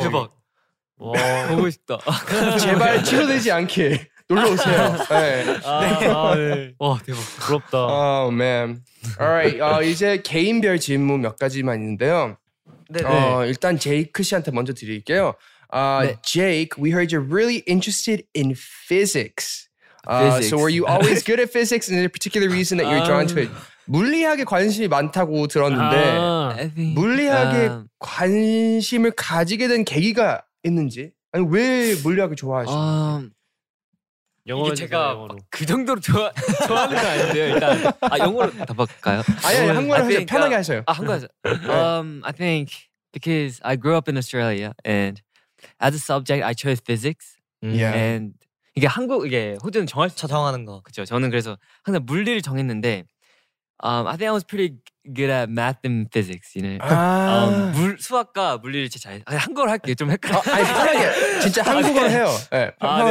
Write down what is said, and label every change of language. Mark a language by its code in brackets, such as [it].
[ko] 대박. 와 보고 싶다. 제발 취소되지 않게 놀러 오세요. 네. 와 대박. 부럽다. [en] Oh man. Alright. [ko] 이제 개인별 질문 몇 가지만 있는데요. 네. 일단 제이크 씨한테 먼저 드릴게요. [en] Jake, we heard you're really interested in physics. So were you always good at physics? Is there a particular reason that you're drawn to it? [ko] 물리학에 관심이 많다고 들었는데 물리학에 관심을 가지게 된 계기가 있는지 아니 왜 물리학을 좋아하시는지 이게 제가 그 정도로 좋아하는 건 아닌데요 일단 아 영어로 답할까요? 아니 한국어로 하세요 편하게 하세요 아 한국어로 하세요 [en] I think because I grew up in Australia and as a subject I chose physics yeah. [ko] and 이게 한국 이게 호주는 정할 수 정하는 거 그렇죠 저는 그래서 항상 물리를 정했는데 [en] I think I was pretty good at math and physics, you know. [ko] 아~ 물 수학과 물리를 제일 잘. 아니, 한국어로 할게 좀 헷갈려. 아니 편하게 진짜 한국어로 해요. 네, 편하게.